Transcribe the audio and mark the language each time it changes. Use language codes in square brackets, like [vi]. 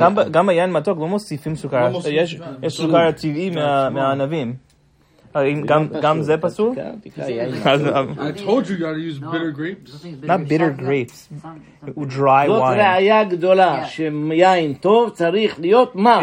[he] גם היין מתוק לא מוסיפים סוכר. יש סוכר טבעי מהענבים. גם זה פסול? [en] I told you you gotta use bitter grapes. Not bitter grapes. Dry wine. [he] זאת ראיה גדולה שיין טוב צריך להיות מר.